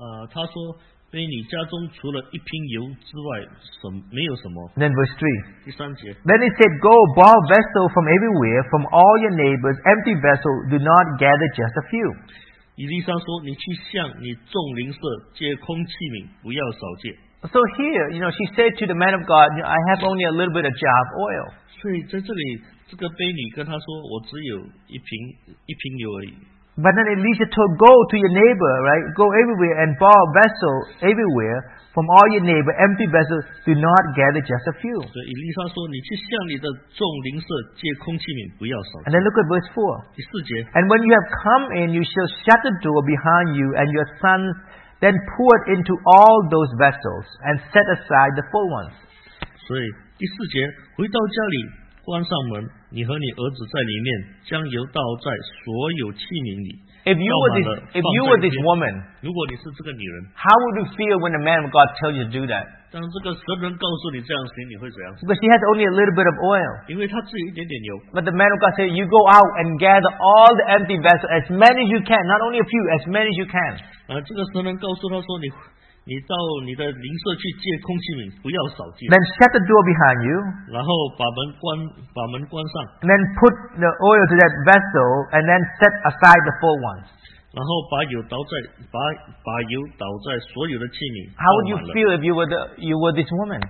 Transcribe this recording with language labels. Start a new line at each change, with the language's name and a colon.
Chinese: 他说，被你家中除了一瓶油之外，没有什么。
English: Then verse 3.
Chinese: 第三节。
English: Then he said, "Go borrow vessel from everywhere, from all your neighbors. Empty vessel, do not gather just a few."
Chinese: 伊丽莎说：“你去向你众邻舍借空器皿，不要少借。”
English: So here, she said to the man of God, "I have only a little bit of jar of oil."
Chinese: 所以在这里，这个婢女跟他说：“我只有一瓶油而已。”
English: But then Elisha told, "Go to your neighbor, right? Go everywhere and borrow vessel everywhere from all your neighbor. Empty vessels, do not gather just a few."
Chinese: 所以伊丽莎说：“你去向你的众邻舍借空器皿，不要少。”
English: And then look at verse 4.
Chinese: 第四节。
English: And when you have come in, you shall shut the door behind you and your sons. Then pour it into all those vessels and set aside the full ones.
Chinese: 所以第四节，回到家里。关上门，你和你儿子在里面，将油倒在所有器皿里。
English: If you were this woman,
Chinese: 如果你是这个女人
English: ，How would you feel when a man of God tells you to do that？
Chinese: 当这个神人告诉你这样行，你会怎样
English: ？Because she has only a little bit of oil，
Chinese: 因为她只有一点点油。
English: But the man of God said, "You go out and gather all the empty vessels as many as you can, not only a few, as many as you can."
Chinese: 这个神人告诉他说你。你到你的邻舍去借空气皿，不要少借。
English: Then shut the door behind you.
Chinese: 然后把门关上。
English: And then put the oil to that vessel, and then set aside the full ones.
Chinese: 然后把油倒在所有的器皿。
English: How would you feel if you were this woman?